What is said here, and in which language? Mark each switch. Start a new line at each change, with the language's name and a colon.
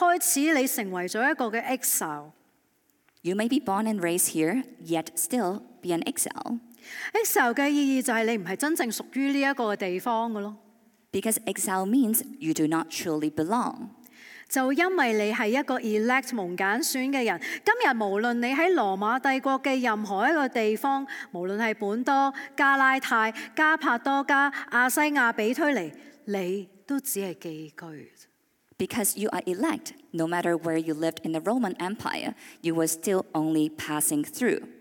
Chinese: 雖然你未必在外地，甚至說你是土生土長，但原來這一刻開始你成為了一個exile。
English: You may be born and raised here, yet still be an exile.
Chinese: Exile的意義就是你不是真正屬於這個地方的。
English: Because exile means you do not truly belong.
Chinese: 就因為你是一個elect蒙揀選的人，今日無論你在羅馬帝國的任何一個地方，無論是本多、加拉太、加帕多加、亞西亞、比推尼，你都只是寄居。
English: Because you are elect, no matter where you lived in the Roman Empire, you were still only passing through.